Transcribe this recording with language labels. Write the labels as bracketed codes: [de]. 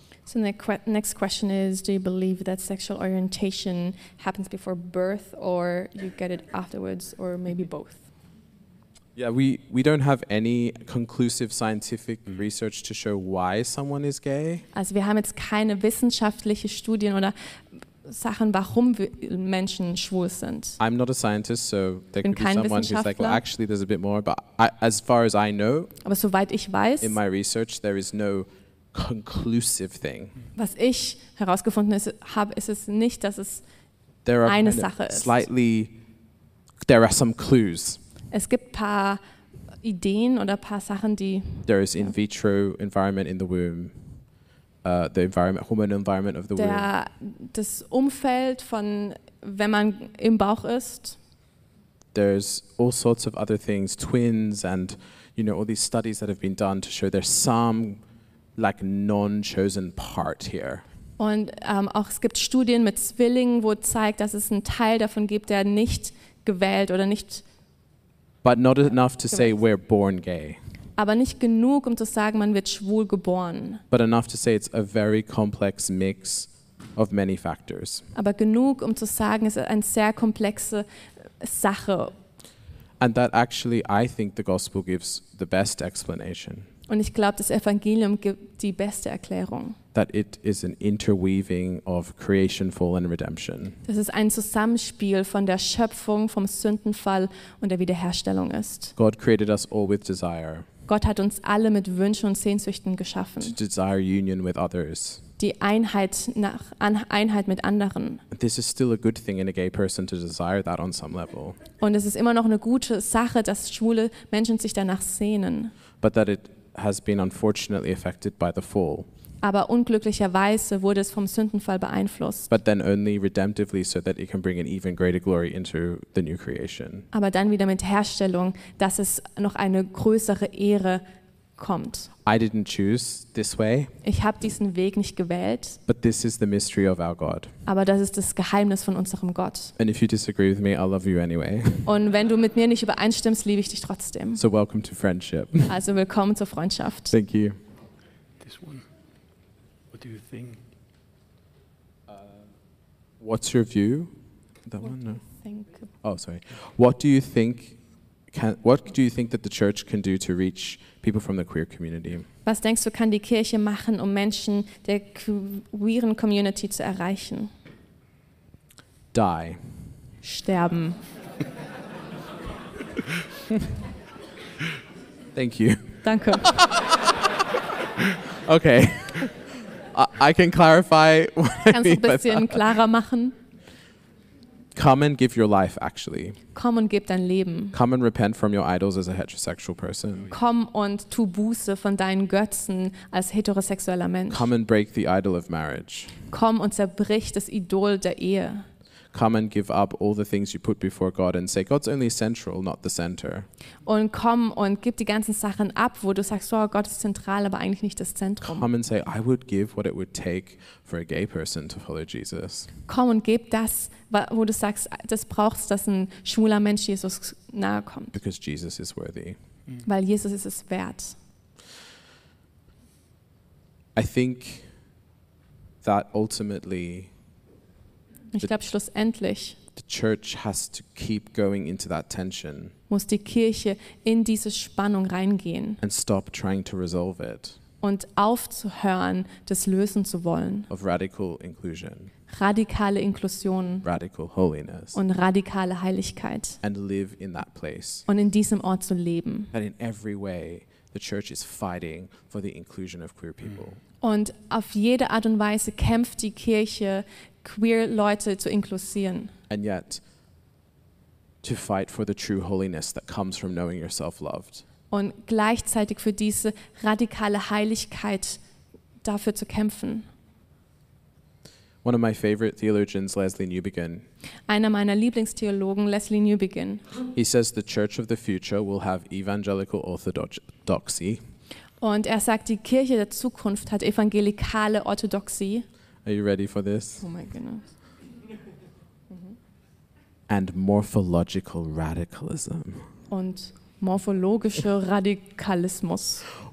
[en] So the next question is, do you believe that sexual orientation happens before birth or you get it afterwards or maybe both? Yeah, we don't have any conclusive scientific research to show why someone is gay. [de] Also wir haben jetzt keine wissenschaftliche Studien oder Sachen, warum Menschen schwul sind. [en] I'm not a scientist, so there could be someone who's like, well, actually there's a bit more, but as far as I know, [de] aber soweit ich weiß, [en] in my research there is no conclusive thing. [de] Was ich herausgefunden habe, ist es nicht, dass es eine Sache ist. [en] There are some clues. [de] Es gibt ein paar Ideen oder ein paar Sachen, die. [en] There is in vitro environment in the womb, the environment, hormonal environment of the womb. [de] Das Umfeld von, wenn man im Bauch ist. [en] There's all sorts of other things, twins and, you know, all these studies that have been done to show there's some like non-chosen part here. [de] Und auch es gibt Studien mit Zwillingen, wo zeigt, dass es einen Teil davon gibt, der nicht gewählt oder nicht. [en] But not enough to say we're born gay. [de] Aber nicht genug, um zu sagen, man wird schwul geboren. [en] But enough to say it's a very complex mix of many factors. [de] Aber genug, um zu sagen, es ist eine sehr komplexe Sache. [en] And that actually, I think the gospel gives the best explanation. [de] Und ich glaube, das Evangelium gibt die beste Erklärung. [en] That it is an interweaving of creation, fall and redemption. [de] Das ist ein Zusammenspiel von der Schöpfung, vom Sündenfall und der Wiederherstellung ist. [en] God created us all with desire. [de] Gott hat uns alle mit Wünschen und Sehnsüchten geschaffen. [en] To desire union with others. [de] Die Einheit nach Einheit mit anderen. [en] This is still a good thing in a gay person to desire that on some level. [de] Und es ist immer noch eine gute Sache, dass schwule Menschen sich danach sehnen. [en] But that it has been unfortunately affected by the fall. [de] Aber unglücklicherweise wurde es vom Sündenfall beeinflusst. [en] But then only redemptively so that it can bring an even greater glory into the new creation. [de] Aber dann wieder mit Herstellung, dass es noch eine größere Ehre kommt. [en] I didn't choose this way. [de] Ich habe diesen Weg nicht gewählt. [en] But this is the mystery of our God. [de] Aber das ist das Geheimnis von unserem Gott. [en] And if you disagree with me, I love you anyway. [de] Und wenn du mit mir nicht übereinstimmst, liebe ich dich trotzdem. [en] So welcome to friendship. [de] Also willkommen zur Freundschaft. [en] Thank you. This one. What do you think? What's your view? That what one? No. Think. Oh, sorry. What do you think? What do you think that the church can do to reach people from the queer community? [de] Was denkst du, kann die Kirche machen, um Menschen der queeren Community zu erreichen? [en] Die. [de] Sterben. [en] Thank you. [de] Danke. [en] Okay. I can clarify. [de] Kannst du ein bisschen klarer machen? [en] Come and give your life, actually. [de] Komm und gib dein Leben. [en] Come and repent from your idols as a heterosexual person. [de] Komm und tu Buße von deinen Götzen als heterosexueller Mensch. [en] Come and break the idol of marriage. [de] Komm und zerbrich das Idol der Ehe. [en] Come and give up all the things you put before God and say, God's only central, not the center. [de] Und komm und gib die ganzen Sachen ab, wo du sagst, oh, Gott ist zentral, aber eigentlich nicht das Zentrum. [en] Come and say, I would give what it would take for a gay person to follow Jesus. [de] Komm und gib das, wo du sagst, das brauchst, dass ein schwuler Mensch Jesus nahe kommt. [en] Because Jesus is worthy. [de] Weil Jesus ist es wert. [en] I think that ultimately [de] ich glaube schlussendlich [en] the church has to keep going into that tension, [de] muss die Kirche in diese Spannung reingehen [en] and stop trying to resolve it, [de] und aufzuhören, das lösen zu wollen, [en] of radical inclusion, [de] radikale Inklusion, [en] radical holiness, [de] und radikale Heiligkeit, [en] and live in that place, [de] und in diesem Ort zu leben. [en] And in every way the church is fighting for the inclusion of queer people. [de] Und auf jede Art und Weise kämpft die Kirche, queer Leute zu inklusieren. [en] And yet, to fight for the true holiness that comes from knowing yourself loved. [de] Und gleichzeitig für diese radikale Heiligkeit dafür zu kämpfen. [en] One of my favorite theologians, Leslie Newbegin. [de] Einer meiner Lieblingstheologen, Leslie Newbegin. [en] He says the church of the future will have evangelical orthodoxy. [de] Und er sagt, die Kirche der Zukunft hat evangelikale Orthodoxie. [en] Are you ready for this? Oh my goodness. And morphological radicalism. [de] Und morphologischer Radikalismus.